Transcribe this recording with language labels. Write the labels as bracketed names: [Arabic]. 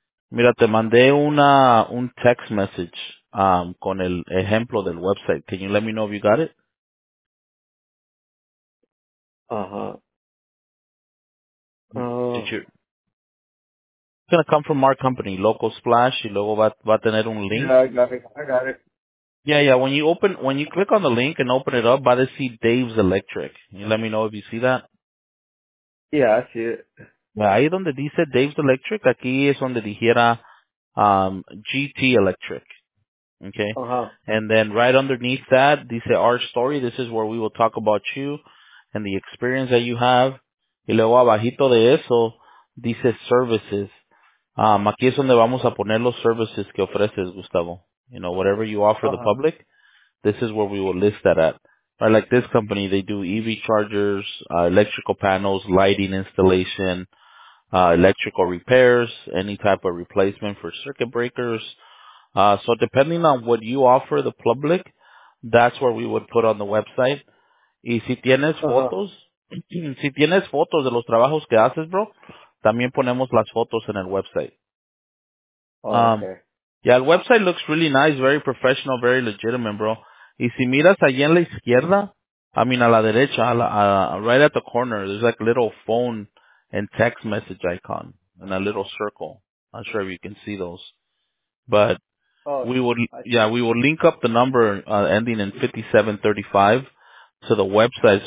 [Spanish] Mira, te mandé un text message con el ejemplo del website. [English] Can you let me know if you got it? It's going to come from our company, Local Splash, [Spanish] y luego va a tener un link. [English] I got it. Yeah, yeah. When you click on the link and open it up, [Spanish] va a decir [English] Dave's Electric. You let me know if you see that. Yeah, I see it. [Spanish] Ahí donde dice Dave's Electric, aquí es donde dijera GT Electric. [English] Okay. Uh-huh. And then right underneath that, they say our story. This is where we will talk about you and the experience that you have. [Spanish] Y luego abajito de eso, dice services. Aquí es donde vamos a poner los services que ofreces, Gustavo. [English] You know, whatever you offer the public, this is where we will list that at. Right, like this company, they do EV chargers, electrical panels, lighting installation, electrical repairs, any type of replacement for circuit breakers. So depending on what you offer the public, that's where we would put on the website. [Spanish] Y si tienes fotos, si tienes fotos de los trabajos que haces, bro, también ponemos las fotos en el website. [English] Okay. Yeah, the website looks really nice, very professional, very legitimate, bro. [Spanish] Y si miras allí en la izquierda, [English] I mean, [Spanish] a la derecha, [English] right at the corner, there's like a little phone and text message icon and a little circle. I'm sure if you can see those. But we will link up the number ending in 5735 to the website.